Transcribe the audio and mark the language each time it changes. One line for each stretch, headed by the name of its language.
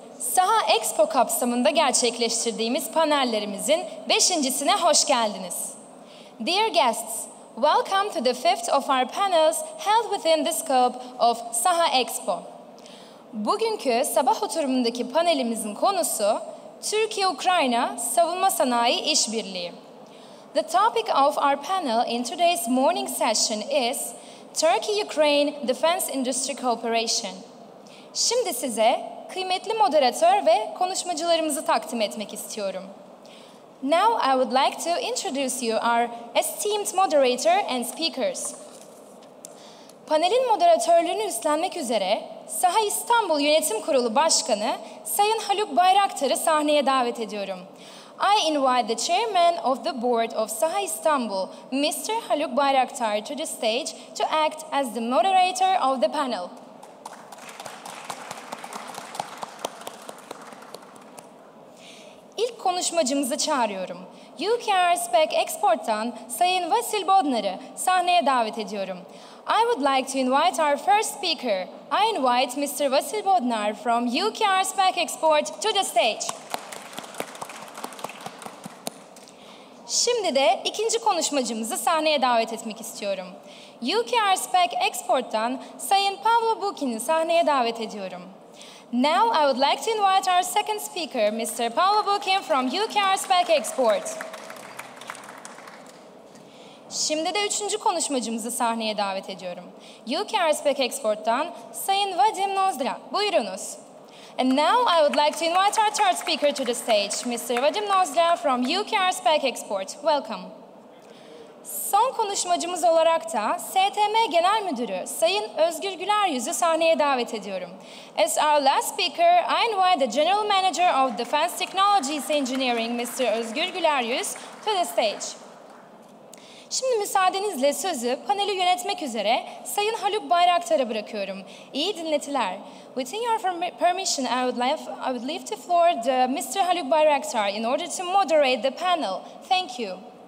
Turkish: Saha Expo kapsamında gerçekleştirdiğimiz panellerimizin 5.sine hoş geldiniz.
English: Dear guests, welcome to the 5th of our panels held within the scope of Saha Expo.
Turkish: Bugünkü sabah oturumundaki panelimizin konusu Türkiye-Ukrayna Savunma Sanayii İşbirliği.
English: The topic of our panel in today's morning session is Turkey-Ukraine Defense Industry Cooperation.
Turkish: Şimdi size kıymetli moderatör ve konuşmacılarımızı takdim etmek istiyorum.
English: Now I would like to introduce you our esteemed moderator and speakers.
Turkish: Panelin moderatörlüğünü üstlenmek üzere Saha İstanbul Yönetim Kurulu Başkanı Sayın Haluk Bayraktar'ı sahneye davet ediyorum.
English: I invite the chairman of the board of Saha İstanbul, Mr. Haluk Bayraktar, to the stage to act as the moderator of the panel.
Turkish: İlk konuşmacımızı çağırıyorum. UKR Spec Export'tan Sayın Vasil Bodnar'ı sahneye davet ediyorum.
English: I would like to invite our first speaker. I invite Mr. Vasil Bodnar from UKR Spec Export to the stage.
Turkish: Şimdi de ikinci konuşmacımızı sahneye davet etmek istiyorum. UKR Spec Export'tan Sayın Pavlo Bukin'i sahneye davet ediyorum.
English: Now I would like to invite our second speaker, Mr. Pavlo Bukin from UKR Spec Export.
Turkish: Şimdi de üçüncü konuşmacımızı sahneye davet ediyorum. UKR Spec Export'tan Sayın Vadim Nozdra, buyurunuz.
English: And now I would like to invite our third speaker to the stage, Mr. Vadim Nozdra from UKR Spec Export. Welcome.
Turkish: Son konuşmacımız olarak da STM Genel Müdürü Sayın Özgür Güleryüz'ü sahneye davet ediyorum.
English: As our last speaker, I invite the General Manager of Defense Technologies Engineering, Mr. Özgür Güleryüz, to the stage.
Turkish: Şimdi müsaadenizle sözü paneli yönetmek üzere Sayın Haluk Bayraktar'a bırakıyorum. İyi dinletiler.
English: Within your permission, I would leave the floor to Mr. Haluk Bayraktar in order to moderate the panel. Thank you.